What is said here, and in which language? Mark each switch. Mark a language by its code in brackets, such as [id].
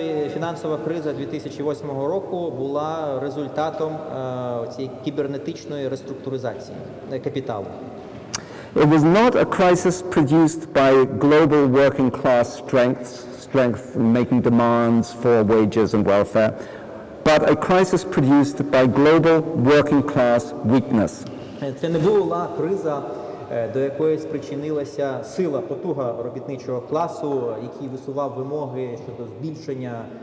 [uk] Фінансова криза 2008 року була результатом цієї кібернетичної реструктуризації капіталу. [en] It was not a crisis produced by global working class strength making demands for wages and welfare, but a crisis produced by global working class weakness. [uk] Це не була криза, до якої спричинилася сила, потуга робітничого класу, який висував вимоги щодо збільшення